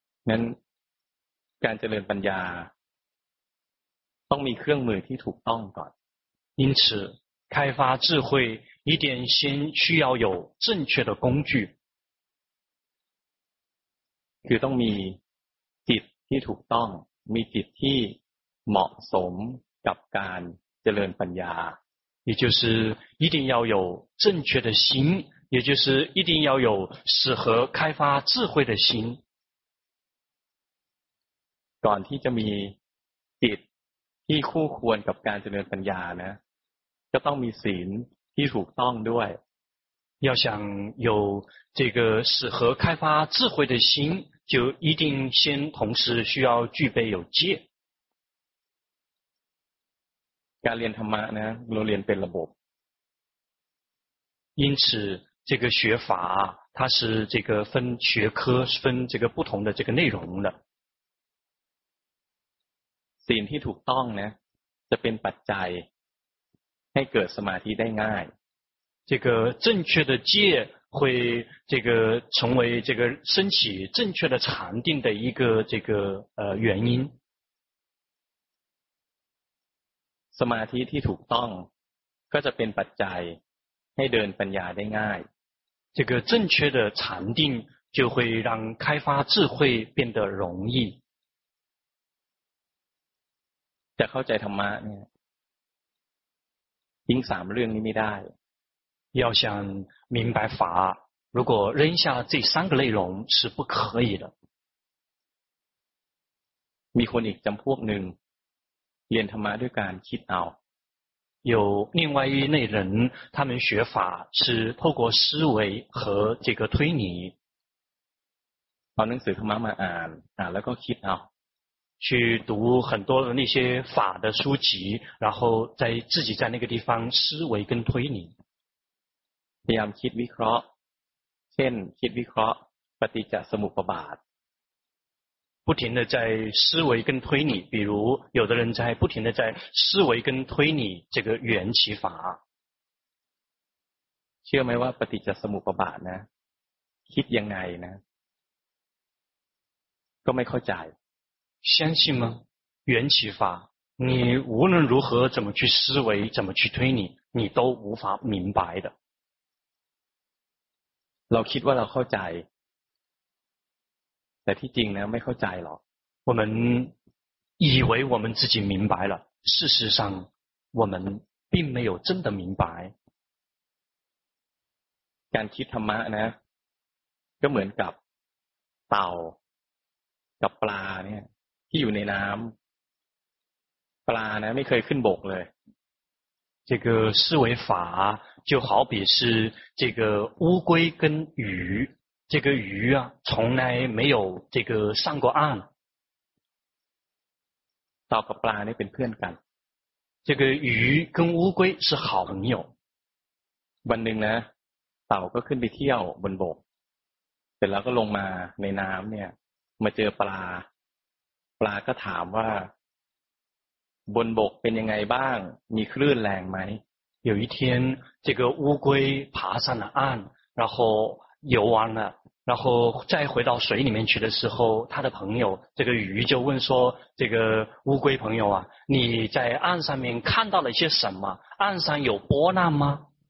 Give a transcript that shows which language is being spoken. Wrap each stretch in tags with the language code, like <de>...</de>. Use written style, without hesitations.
<th>งั้นการเจริญปัญญาต้องมีเครื่องมือที่ถูกต้องก่อน</th> <zh>因此开发智慧一定先需要有正确的工具</zh> <th>คือต้องมีจิตที่ถูกต้องมีจิตที่เหมาะสมกับการเจริญปัญญา</th> <zh>也就是一定要有正确的心也就是一定要有适合开发智慧的心</zh> <th>ก่อนที่จะมีจิตที่คู่ควรกับการเจริญปัญญานะจะต้องมีศีลที่ถูกต้องด้วย</th> <zh>要想有这个适合开发智慧的心，就一定先同时需要具备有戒。</zh> <th>การเรียนธรรมะนะ，เราเรียนเป็นระบบ。</th> <zh>因此，这个学法它是这个分学科，分这个不同的这个内容的。</zh> <th>สิ่งที่ถูกต้องนะ，จะเป็นปัจจัยให้เกิดสมาธิได้ง่าย。</th> <zh>这个正确的戒会这个成为这个升起正确的禅定的一个这个原因。</zh> <th>สมาธิที่ถูกต้องก็จะเป็นปัจจัยให้เดินปัญญาได้ง่าย。</th> <zh>这个正确的禅定就会让开发智慧变得容易。</zh> <th>จะเข้าใจธรรมะเนี่ยทิ้งสามเรื่องนี้ไม่ได้</th> <zh>要想明白法，如果扔下这三个内容是不可以的。</zh> <th>มีคนอีกจำพวกหนึ่งเรียนธรรมะด้วยการคิดเอา。</th> <zh>有另外一类人，他们学法是透过思维和这个推理。</zh> <th>เอาหนังสือธรรมะมาอ่านแล้วก็คิดเอา。</th> <zh>去读很多的那些法的书籍，然后在自己在那个地方思维跟推理。</zh> <th>พยายามคิดวิเคราะห์เช่นคิดวิเคราะห์ปฏิจจสมุปบาท</th> <zh>不停的在思维跟推理，比如有的人在不停的在思维跟推理这个缘起法。</zh> <th>เชื่อไหมว่าปฏิจจสมุปบาทนะคิดยังไงนะก็ไม่เข้าใจ</th> <zh>相信吗缘起法你无论如何怎么去思维怎么去推理你都无法明白的</zh> <th>เราคิดว่าเราเข้าใจแต่ที่จริงนะไม่เข้าใจหรอก</th> <zh>我们以为我们自己明白了事实上我们并没有真的明白</zh> <th>การคิดธรรมะนะก็เหมือนกับเต่ากับปลาเนี่ยที่อยู่ในน้ำปลานะไม่เคยขึ้นบกเลย</th> <zh>这个思维法就好比是这个乌龟跟鱼这个鱼啊从来没有这个上过岸</zh> <th>เต่ากับปลานี่เป็นเพื่อนกัน</th> <zh>这个鱼跟乌龟是好朋友</zh> <th>วันหนึ่งนะเต่าก็ขึ้นไปเที่ยวบนบกเสร็จแล้วก็ลงมาในน้ำเนี่ยมาเจอปลาปลาก็ถามว่าบนบกเป็นยังไงบ้างมีคลื่นแรงไหม</th> <zh>有一天这个乌龟爬上了岸然后游完了然后再回到水里面去的时候他的朋友这个鱼就问说这个乌龟朋友啊你在岸上面看到了些什么岸上有波浪吗</zh>